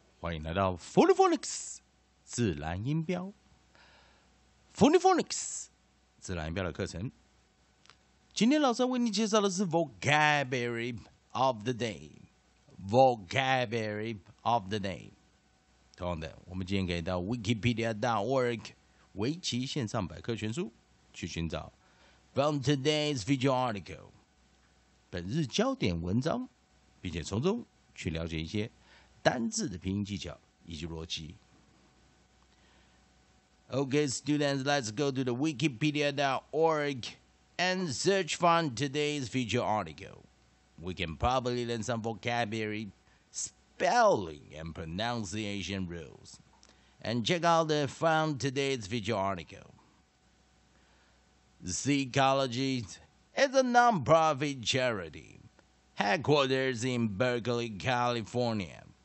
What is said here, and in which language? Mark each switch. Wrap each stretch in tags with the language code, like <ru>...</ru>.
<zh>欢迎来到 Phonics 自然音标</zh> <en>Phonics</en> <zh>自然音标的课程。今天老师为你介绍的是</zh> <en>Vocabulary of the day，</en> <zh>Vocabulary of the day。同样的，我们今天可以到 Wikipedia.org 维基线上百科全书去寻找</zh> <en>From today's video article</en> <zh>本日焦点文章，并且从中去了解一些单字的拼音技巧以及逻辑。</zh> <en>Okay, students, let's go to the Wikipedia.org and search for today's feature article. We can probably learn some vocabulary, spelling, and pronunciation rules. And check out the fun today's feature article. Zecology is a non-profit charity headquarters in Berkeley, California.</en>